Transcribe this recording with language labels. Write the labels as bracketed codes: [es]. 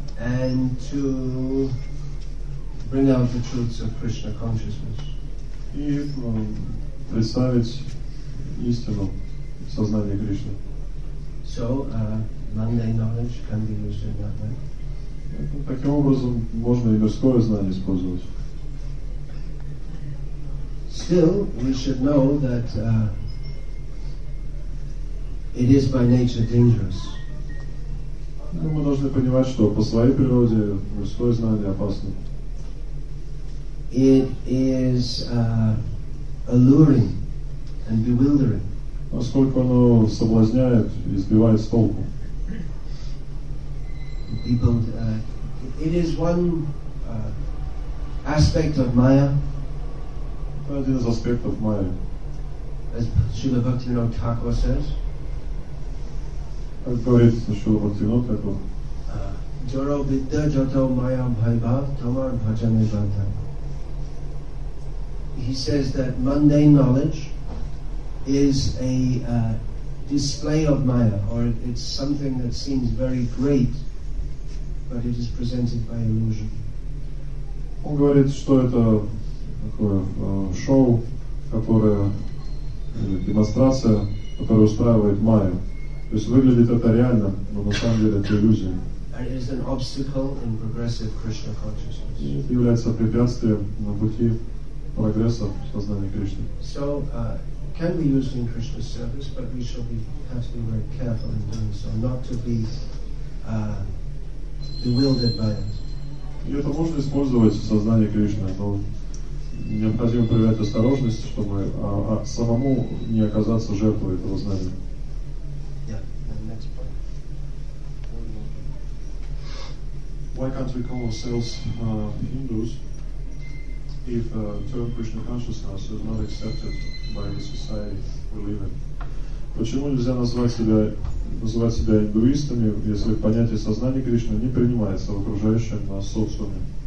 [en] And to bring out the truths of Krishna consciousness. [ru] И представить истину сознания Кришны. [en] So, mundane knowledge can be used in that way. [ru] Таким образом, можно и мирское знание использовать. [en] Still, we should know that it is by nature dangerous. [ru] Ну, мы должны понимать, что по своей природе мирское знание опасно. [en] It is alluring and bewildering. [ru] Насколько оно соблазняет и сбивает с толку. [en] People, it is one aspect of Maya. [ru] Это один из аспектов Maya. [en] As Srila Bhaktivinoda Thakur says, As [ru] говорит Srila Bhaktivinoda Thakur, [bn] Jaro Vidya Jato Mayam Bhaibhav Tamar Bhajane Bhantam. [en] He says that mundane knowledge is a display of Maya, or it's something that seems very great, but it is presented by illusion. [ru] Он говорит, что это такое шоу, которое демонстрация, которая устраивает Майя. То есть выглядит это реально, но на самом деле это иллюзия. [en] And it is an obstacle in progressive Krishna consciousness. [ru] Это является препятствием на пути прогресса в сознании Кришны. [en] So can be used in Krishna's service, but we shall be have to be very careful in doing so, not to be bewildered by it. [ru] И это можно использовать в сознании Кришны, но необходимо проявлять осторожность, чтобы самому не оказаться жертвой этого знания. [en] Yeah, next point. Why can't we call ourselves Hindus if the term Krishna consciousness is not accepted by the society we live in? [ru] Почему нельзя называть себя индуистами, если понятие сознания Кришны не принимается в окружающем нас социуме?